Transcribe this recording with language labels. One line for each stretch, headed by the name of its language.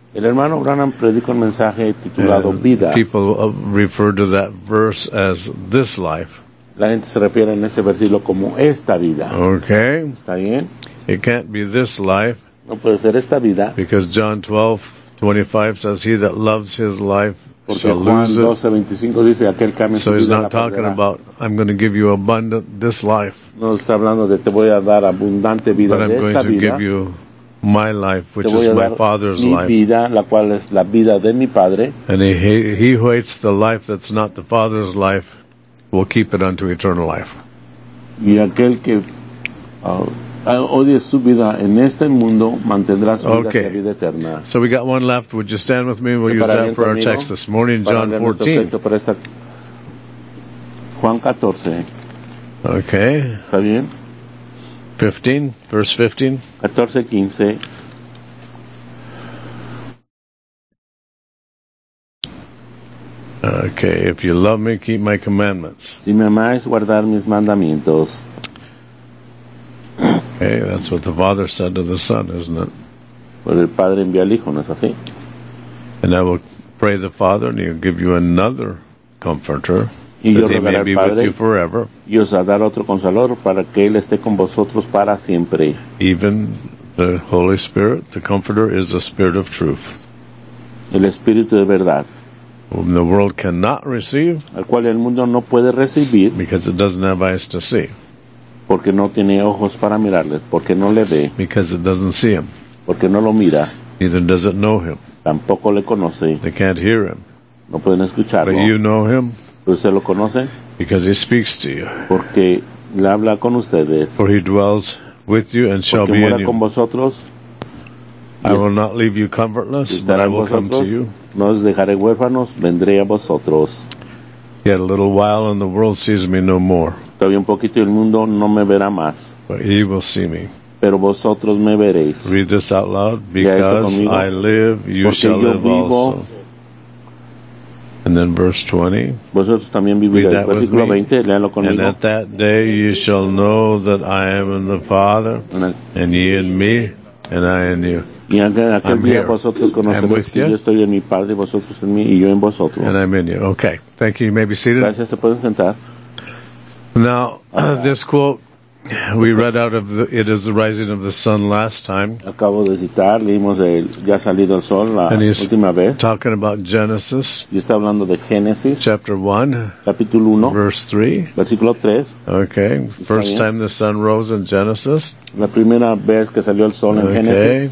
Spanish: El hermano Branham predica un mensaje titulado Vida.
English: People refer to that verse as this life.
Spanish: La gente se refiere en ese versículo como esta vida.
English: Okay.
Spanish: Está bien.
English: It can't be this life.
Spanish: No puede ser esta vida.
English: Because John 12:25 says, he that loves his life shall lose it.
Spanish: Dice, aquel que
English: so he's not talking about, I'm going to give you abundant this life.
Spanish: No está hablando de, te voy a dar abundante vida
English: but I'm
Spanish: de
English: going
Spanish: esta
English: to
Spanish: vida.
English: Give you my life, which is my father's life.
Spanish: Vida, la cual es la vida de mi padre.
English: And he who hates the life that's not the father's life will keep it unto eternal life.
Spanish: Y aquel que odie su vida en este mundo mantendrá su
English: okay.
Spanish: Vida eterna.
English: So we got one left. Would you stand with me? We'll use that for our text this morning, John 14.
Spanish: Juan 14.
English: Okay.
Spanish: ¿Está bien?
English: 14:15. Okay, if you love me, keep my commandments.
Spanish: Si me amáis, guardad mis mandamientos.
English: Okay, that's what the Father said to the Son, isn't it?
Spanish: El Padre envió al Hijo, ¿no es así?
English: And I will pray the Father, and he'll give you another Comforter,
Spanish: y yo
English: that he may be
Spanish: Padre,
English: with you forever.
Spanish: Y os dar otro Consolador, para que él esté con vosotros para siempre.
English: Even the Holy Spirit, the Comforter, is the Spirit of Truth.
Spanish: El Espíritu de Verdad.
English: Whom the world cannot receive.
Spanish: Al cual el mundo no puede recibir.
English: Because it doesn't have eyes to see.
Spanish: Porque no tiene ojos para mirarle, porque no le ve.
English: Because it doesn't see him.
Spanish: Porque no lo mira.
English: Neither does it know him.
Spanish: Tampoco le conoce.
English: They can't hear him.
Spanish: No pueden escucharlo.
English: But you know him.
Spanish: ¿Usted lo conoce?
English: Because he speaks to you.
Spanish: Porque le habla con ustedes.
English: For he dwells with you and shall
Spanish: porque
English: be in you.
Spanish: Porque mora con vosotros.
English: I will not leave you comfortless, but I will come to you.
Spanish: No os dejaré huérfanos, vendré a vosotros.
English: Yet a little while and the world sees me no more.
Spanish: Todavía un poquito y el mundo no me verá más.
English: But he will see me.
Spanish: pero vosotros me veréis.
English: Read this out loud. Because I live, you
Spanish: Porque
English: shall live
Spanish: vivo.
English: Also. And then verse 20.
Spanish: Vosotros también viviréis.
English: Read that Versículo with me.
Spanish: 20, léanlo conmigo.
English: And at that day you shall know that I am in the Father, and ye in me, and I in you.
Spanish: Y en aquel día vosotros conoceréis que yo estoy en mi Padre, vosotros en mí, y yo en vosotros.
English: And I'm in you. Okay. Thank you. You may be seated.
Spanish: Gracias. Se pueden sentar.
English: Now, this quote we read out of it is the rising of the sun last time.
Spanish: Acabo de citar, leímos de ya salido el sol la última vez.
English: And he's talking about Genesis.
Spanish: Y está hablando de Génesis.
English: Chapter 1.
Spanish: Capítulo 1.
English: Verse 3.
Spanish: Versículo 3.
English: Okay, first time the sun rose in Genesis.
Spanish: La primera vez que salió el sol en Génesis.